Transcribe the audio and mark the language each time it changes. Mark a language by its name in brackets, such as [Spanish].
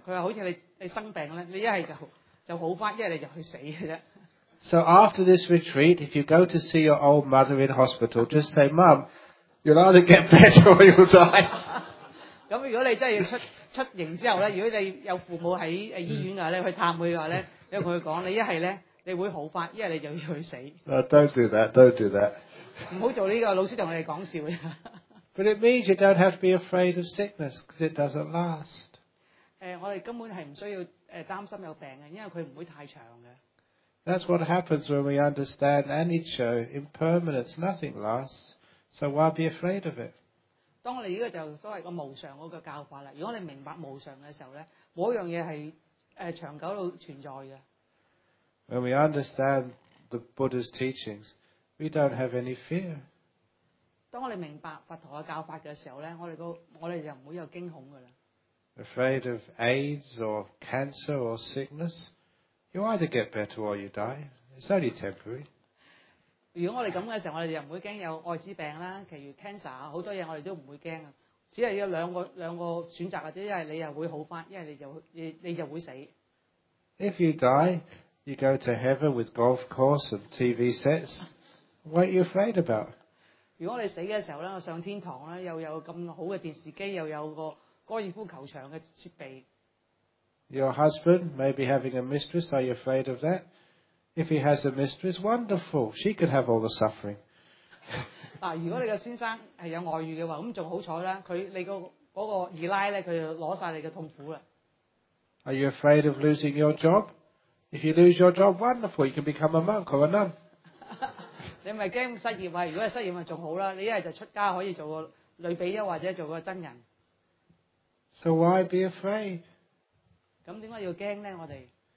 [Cantonese] 佢話好似你生病咧，你一係就好翻，一係你就去死嘅啫。 [English] So after this retreat, if you go to see your old mother in hospital, just say, "Mum, you'll either get better or you'll die." [Cantonese] 咁如果你真係出營之後咧，如果你有父母喺醫院嘅咧，去探佢嘅話咧，你同佢講，你一係咧你會好翻，一係你就要去死。 [English] Don't do that. [Cantonese] 唔好做呢個，老師同我哋講笑嘅。 [English] But it means you don't have to be afraid of sickness because it doesn't last. [Cantonese] 我哋根本系唔需要担心有病嘅，因为佢唔会太长嘅。 [English] That's what happens when we understand anicca, impermanence, nothing lasts. So why be afraid of it? [Cantonese] 当我哋呢个就都系个无常嗰个教法啦。如果你明白无常嘅时候咧，冇一样嘢系长久存在嘅。 [English] When we understand the Buddha's teachings, we don't have any fear. [Cantonese] 當我哋明白佛陀嘅教法嘅時候咧，我哋就唔會有驚恐噶啦。 [English] Afraid of AIDS or cancer or sickness, you either get better or you die. It's only temporary. [Cantonese] 如果我哋咁嘅時候，我哋就唔會驚有艾滋病啦，其餘 cancer 好多嘢我哋都唔會驚啊。只係有兩個選擇嘅啫，一係你又會好翻，一係你就會死。 [English] If you die, you go to heaven with golf course and TV sets. What are you afraid about? [Cantonese] 如果我哋死嘅時候咧，我上天堂咧，又有咁好嘅電視機，又有個高爾夫球場嘅設備。 [English] Your husband may be having a mistress. Are you afraid of that? If he has a mistress, wonderful. She could have all the suffering. [Cantonese] 如果你嘅先生係有外遇嘅話，咁仲好彩啦。佢你個嗰個二奶咧，佢就攞曬你嘅痛苦啦。 [English] Are you afraid of losing your job? If you lose your job, wonderful. You can become a monk or a nun. [Cantonese] 你咪驚失業啊！如果失業咪仲好啦，你一係就出家可以做個女比丘或者做個僧人。 [English] So why be afraid？ [Cantonese] 咁點解要驚咧？我哋